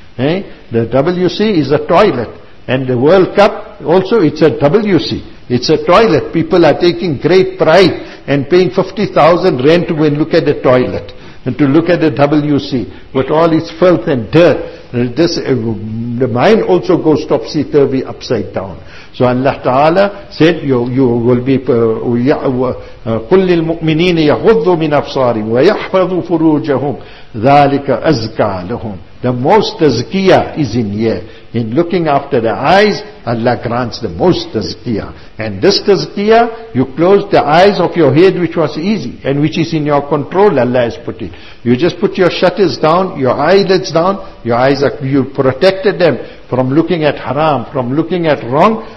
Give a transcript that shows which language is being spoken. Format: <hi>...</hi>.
<en>The WC is a toilet. And the World Cup also, it's a WC. It's a toilet. People are taking great pride and paying 50,000 rent to go and look at the toilet and to look at the WC with all its filth and dirt. The mind also goes topsy-turvy upside down. So Allah Ta'ala said, you will be</en> <ar>قُلْ لِلْمُؤْمِنِينَ يَغُضُّ مِنْ أَفْصَارِهِمْ وَيَحْفَظُ فُرُوجَهُمْ ذَلِكَ أَزْكَى لَهُمْ.</ar> <en>The most tazkiyah is in here. In looking after the eyes, Allah grants the most tazkiyah. And this tazkiyah, you close the eyes of your head, which was easy and which is in your control, Allah has put it. You just put your shutters down, your eyelids down, your eyes are, you protected them from looking at haram, from looking at wrong.</en>